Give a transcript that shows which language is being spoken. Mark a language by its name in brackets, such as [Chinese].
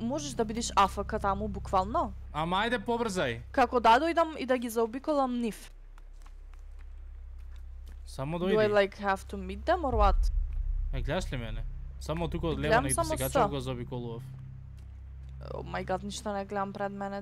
[Macedonian] Можеш да бидиш афака таму, буквално? Ама ајде побрзај. Како да дојдам и да ги заобиколам нив? Само дојди. [English] Do I like have to meet them or what? [Macedonian] Е, гледаш ли мене? Само тука од лево нејде се качам го заобиколував. [English] Oh my god, [Macedonian] ништо не гледам пред мене.